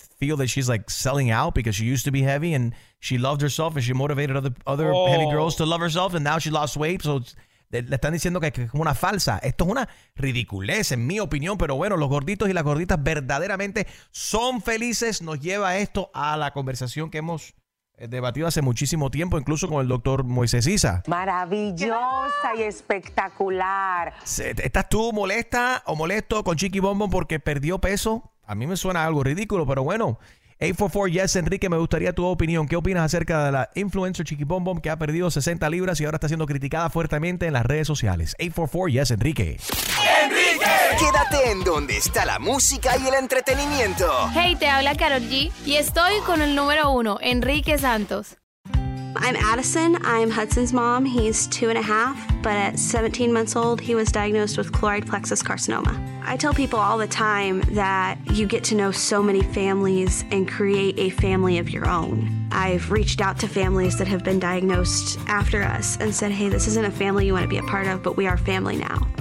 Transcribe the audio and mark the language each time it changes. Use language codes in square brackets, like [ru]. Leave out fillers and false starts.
[en] feel that she's like selling out because she used to be heavy and she loved herself and she motivated other heavy girls to love herself and now she lost weight. [es] So le están diciendo que es como una falsa. Esto es una ridiculez, en mi opinión. Pero bueno, los gorditos y las gorditas verdaderamente son felices. Nos lleva esto a la conversación que hemos debatido hace muchísimo tiempo, incluso con el doctor Moisés Issa. Maravillosa y espectacular. ¿Estás tú molesta o molesto con Chiqui Bombón porque perdió peso? A mí me suena algo ridículo, pero bueno. 844 Yes, Enrique, me gustaría tu opinión. ¿Qué opinas acerca de la influencer Chiqui Bombón que ha perdido 60 libras y ahora está siendo criticada fuertemente en las redes sociales? 844 Yes, Enrique. ¡Enrique! Quédate en donde está la música y el entretenimiento. Hey, te habla Karol G y estoy con el número uno, Enrique Santos. [en] I'm Addison, I'm Hudson's mom, he's 2.5, but at 17 months old, he was diagnosed with chloride plexus carcinoma. I tell people all the time that you get to know so many families and create a family of your own. I've reached out to families that have been diagnosed after us and said, hey, this isn't a family you want to be a part of, but we are family now.